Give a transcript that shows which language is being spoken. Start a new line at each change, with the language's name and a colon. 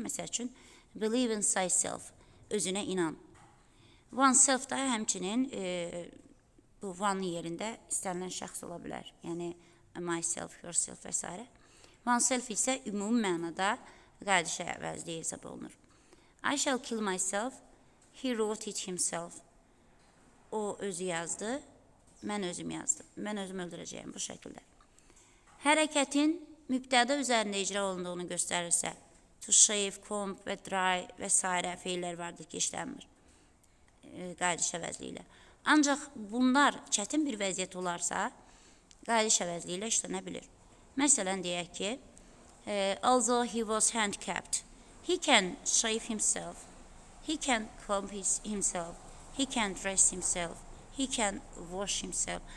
Azerbaijani: Məsəl üçün,
English: believe in thyself,
Azerbaijani: özünə inan. Oneself da həmçinin bu one yerində istənilən şəxs ola bilər. Yəni, myself, yourself və s. Oneself isə ümum mənada qayıdış əvəzliyi hesab olunur.
English: I shall kill myself, he wrote it himself.
Azerbaijani: O özü yazdı, mən özüm yazdım. Mən özüm öldürəcəyim bu şəkildə. Hərəkətin mübtəda üzərində icra olunduğunu göstərirsə, to shave, comb və dry və s. feillər vardır ki, işləmir qayıdış əvəzliyi ilə. Ancaq bunlar çətin bir vəziyyət olarsa, qayıdış əvəzliyi ilə işlənə bilir. Məsələn, deyək ki,
English: although he was handicapped, he can shave himself, he can comb himself, he can dress himself, he can wash himself.